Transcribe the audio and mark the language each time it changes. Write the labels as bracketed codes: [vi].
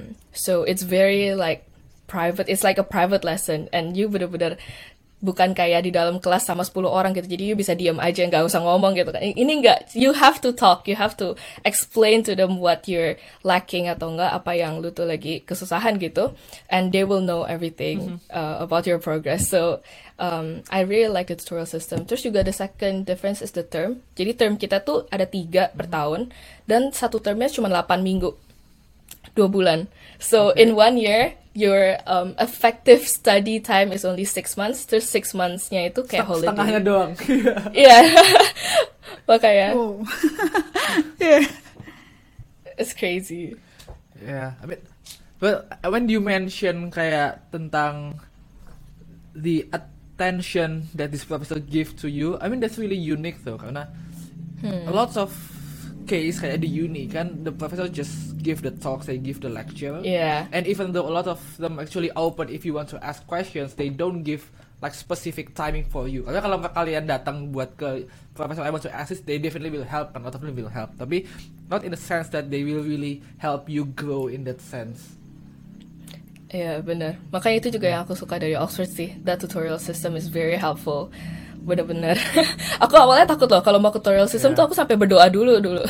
[en] So it's very like private, it's like a private lesson, [id] and you bener-bener bukan kayak di dalam kelas sama 10 orang gitu, jadi you bisa diem aja, gak usah ngomong gitu kan. Ini enggak, [en] you have to talk, you have to explain to them what you're lacking [id] atau enggak, apa yang lu tuh lagi kesusahan gitu, [en] and they will know everything about your progress. So, I really like the tutorial system. [id] Terus juga [en] the second difference is the term. [id] Jadi term kita tuh ada 3 per tahun, dan satu termnya cuma 8 minggu, 2 bulan. [en] So, in 1 year, your effective study time is only 6 months. [id] Terus 6 months-nya itu kayak holiday. Setengahnya doang. Iya. Makanya. [en] Yeah. It's crazy. Yeah. I mean, well, when you mention [id] kayak tentang [en] the attention that this professor give to you, I mean, that's really unique though. [id] Karena [en] a lot of case [id] kayak di uni kan, [en] the professor just give the talks, they give the lecture. Yeah. And even though a lot of them actually open if you want to ask questions, they don't give like specific timing for you. [id] Karena kalau kalian datang buat ke professor [en] I want to assist, they definitely will help, and a lot of them will help. [id] Tapi [en] not in the sense that they will really help you grow in that sense. [id] Ya yeah, benar. Makanya itu juga yang aku suka dari Oxford sih. [en] That tutorial system is very helpful. [id] Benar-benar. Aku awalnya takut loh kalau mau tutorial system tuh aku sampai berdoa dulu.